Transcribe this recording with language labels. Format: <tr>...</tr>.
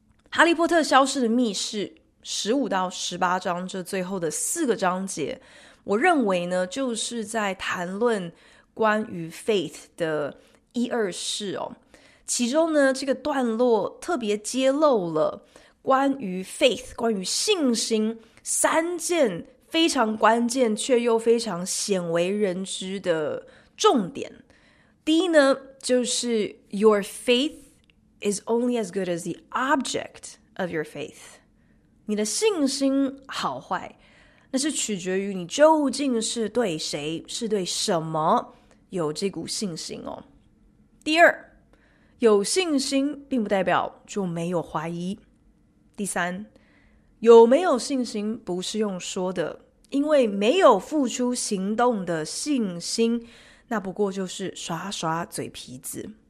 <zh>哈利波特消失的密室15到18章这最后的4个章节，我认为呢就是在谈论关于 faith 的一二事哦。其中呢这个段落特别揭露了关于 faith 关于信心3件非常关键却又非常鲜为人知的重点。第一呢就是</zh> <en>your faithis only as good as the object of your faith.</en> <zh>你的信心好坏，那是取决于你究竟是对谁，是对什么有这股信心哦。第二，有信心并不代表就没有怀疑。第三，有没有信心不是用说的，因为没有付出行动的信心，那不过就是耍耍嘴皮子。</zh>